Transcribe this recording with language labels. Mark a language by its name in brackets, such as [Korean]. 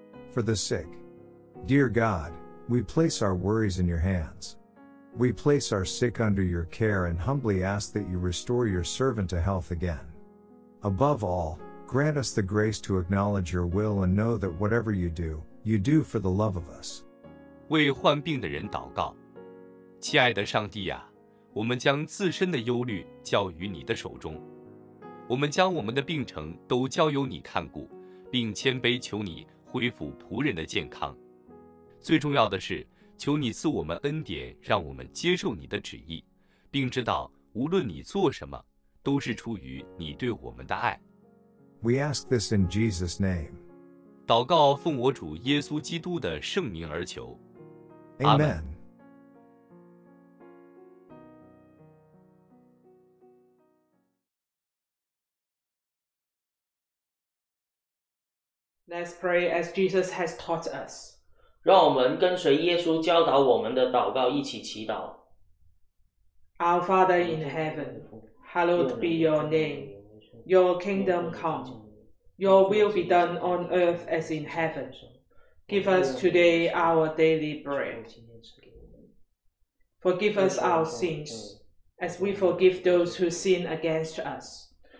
[English] For the sick, dear God, we place our worries in your hands. We place our sick under your care and humbly ask that you restore your servant to health again. Above all, grant us the grace to acknowledge your will and know that whatever you do, you do for the love of us. [Chinese] 为患病的人祷告。亲爱的上帝啊，我们将自身的忧虑交于你的手中。我们将我们的病程都交由你看顾，并谦卑求你恢复仆人的健康。最重要的是，求你赐我们恩典，让我们接受你的旨意，并知道无论你做什么，都是出于你对我们的爱。 [English] We ask this in Jesus' name. [Chinese] 祷告奉我主耶稣基督的圣名而求。 [English] Amen. Let's pray as Jesus has taught us. [Chinese] 让我们跟随耶稣教导我们的祷告一起祈祷。 [English] Our Father in heaven, hallowed be your name. Your kingdom come. Your will be done on earth as in heaven. Give us today our daily bread. Forgive us our sins, as we forgive those who sin against us.